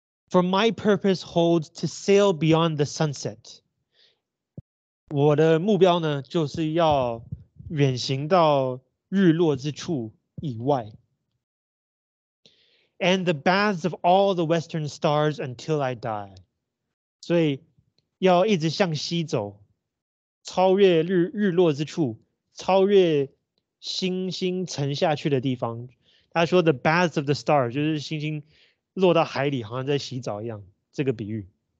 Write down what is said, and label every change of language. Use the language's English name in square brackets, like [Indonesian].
[English] For my purpose holds to sail beyond the sunset. [Chinese] 我的目标呢，就是要远行到日落之处以外。 [English] And the baths of all the western stars until I die. [Chinese] 所以要一直向西走，超越日落之处，超越星星沉下去的地方。他说 [English] the baths of the stars [Chinese] 就是星星落到海里，好像在洗澡一样，这个比喻。